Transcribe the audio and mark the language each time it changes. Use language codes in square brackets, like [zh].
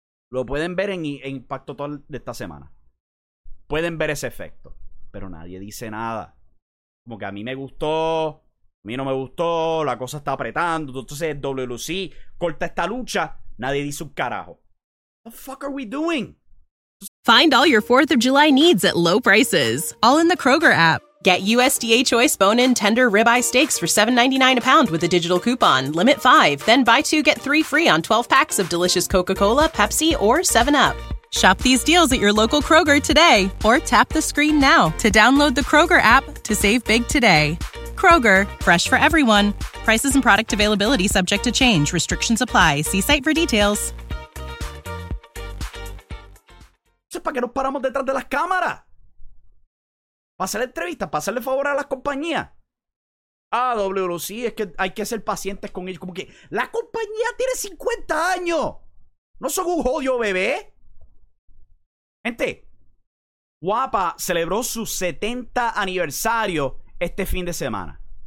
[es] Lo pueden ver en Impacto Total de esta semana. Pueden ver ese efecto. Pero nadie dice nada. Como que a mí me gustó. A mí no me gustó. La cosa está apretando. Entonces WLC corta esta lucha. Nadie dice un carajo. [en] The fuck are we doing? Find all your 4th of July needs at low prices. All in the Kroger app. Get USDA Choice Bone-In Tender Ribeye Steaks for $7.99 a pound with a digital coupon. Limit 5. Then buy 2, get 3 free on 12 packs of delicious Coca-Cola, Pepsi, or 7-Up. Shop these deals at your local Kroger today. Or tap the screen now to download the Kroger app to save big today. Kroger, fresh for everyone. Prices and product availability subject to change. Restrictions apply. See site for details. [es] ¿Para qué nos paramos detrás de las cámaras? Para hacer entrevistas, para hacerle favor a las compañías. Ah, WLC, es que hay que ser pacientes con ellos. Como que la compañía tiene 50 años. No son un jodido bebé. Gente, WAPA celebró su 70 aniversario este fin de semana.